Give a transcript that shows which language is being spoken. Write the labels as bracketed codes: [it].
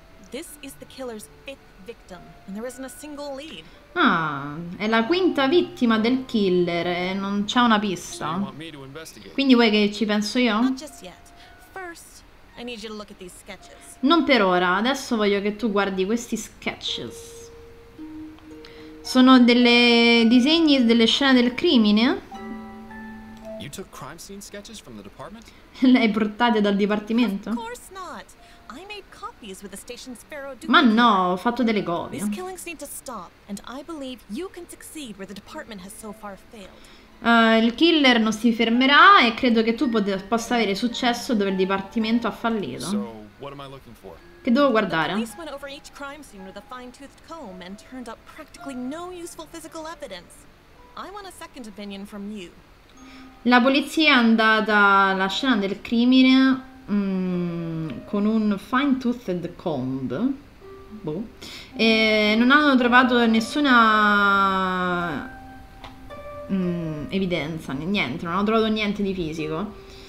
[en] This is the killer's fifth victim, and there isn't a single lead. [it] Ah, è la quinta vittima del killer e non c'è una pista. Quindi vuoi che ci penso io? [en] Not just yet. First, I need you to look at these sketches. [it] Non per ora, adesso voglio che tu guardi questi sketches. Sono delle disegni delle scene del crimine? [en] You took crime scene sketches from the department? [it] Le hai portate dal dipartimento? [en] Of course not. I made copies with the station's Pharaoh Duke. [it] Ma no, ho fatto delle copie. [en] These killings need to stop, and I believe you can succeed where the department has so far failed. [it] Il killer non si fermerà e credo che tu possa avere successo dove il dipartimento ha fallito. [en] So, what am I looking for? [it] Che devo guardare? [en] The police went over each crime scene with a fine-toothed comb and turned up practically no useful physical evidence. I want a second opinion from you. [it] La polizia è andata alla scena del crimine con un [en] fine-toothed comb, [it] boh, e non hanno trovato nessuna evidenza, niente, non hanno trovato niente di fisico.